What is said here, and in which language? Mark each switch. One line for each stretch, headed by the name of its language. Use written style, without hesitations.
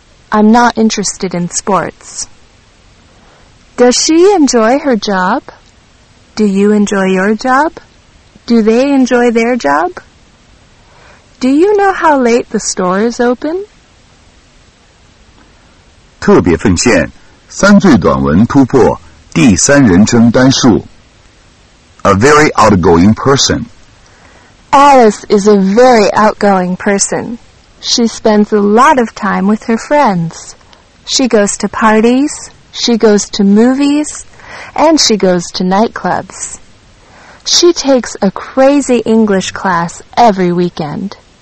English: I'm not interested in sports. Does she enjoy her job? Do you enjoy your job? Do they enjoy their job? Do you know how late the store is open?
Chinese: 特别奉献三最短文突破第三人称单数 A very outgoing person.
English: Alice is a very outgoing person. She spends a lot of time with her friends. She goes to parties, she goes to movies, and she goes to nightclubs. She takes a crazy English class every weekend.